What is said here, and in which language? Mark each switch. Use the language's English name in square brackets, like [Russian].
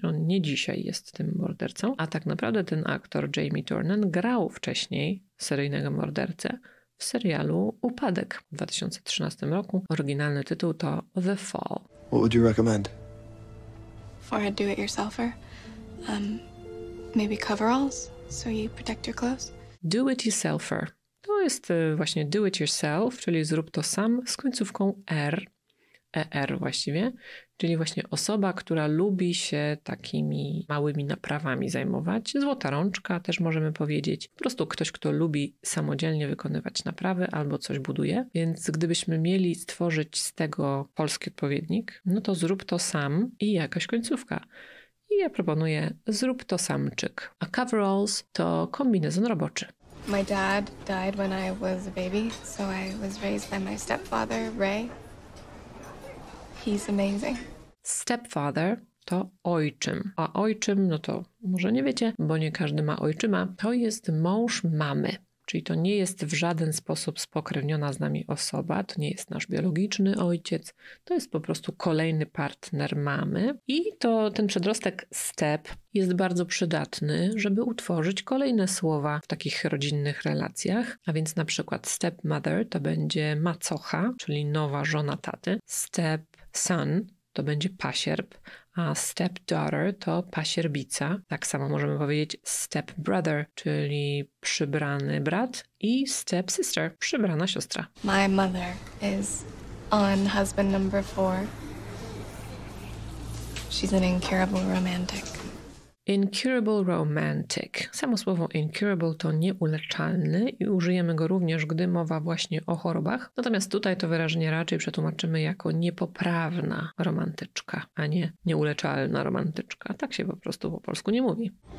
[Polish] On nie dzisiaj jest tym mordercą, a tak naprawdę ten aktor Jamie Turner grał wcześniej seryjnego mordercę w serialu Upadek w 2013 roku. Oryginalny tytuł to The Fall. [English] What would you recommend? For a do-it-yourselfer? Maybe coveralls, so you protect your clothes. Do it yourselfer. [Polish] To jest właśnie [English] do it yourself, [Polish] czyli zrób to sam z końcówką R. ER właściwie. Czyli właśnie osoba, która lubi się takimi małymi naprawami zajmować. Złota rączka też możemy powiedzieć. Po prostu ktoś, kto lubi samodzielnie wykonywać naprawy albo coś buduje. Więc gdybyśmy mieli stworzyć z tego polski odpowiednik, no to zrób to sam i jakaś końcówka. I ja proponuję, zrób to samczyk. A coveralls to kombinezon roboczy. [English] My dad died when I was a baby, so I was raised by my stepfather, Ray. He's amazing. [Polish] Stepfather to ojczym. A ojczym, no to może nie wiecie, bo nie każdy ma ojczyma. To jest mąż mamy. Czyli to nie jest w żaden sposób spokrewniona z nami osoba, to nie jest nasz biologiczny ojciec, to jest po prostu kolejny partner mamy. I to ten przedrostek step jest bardzo przydatny, żeby utworzyć kolejne słowa w takich rodzinnych relacjach. A więc na przykład stepmother to będzie macocha, czyli nowa żona taty. Step son to będzie pasierb, a stepdaughter to pasierbica. Tak samo możemy powiedzieć stepbrother, czyli przybrany brat, i stepsister, przybrana siostra. [English] My mother is on husband number 4. She's an incurable romantic. Incurable romantic. [Polish] Samo słowo incurable to nieuleczalny i użyjemy go również, gdy mowa właśnie o chorobach. Natomiast tutaj to wyrażenie raczej przetłumaczymy jako niepoprawna romantyczka, a nie nieuleczalna romantyczka. Tak się po prostu po polsku nie mówi.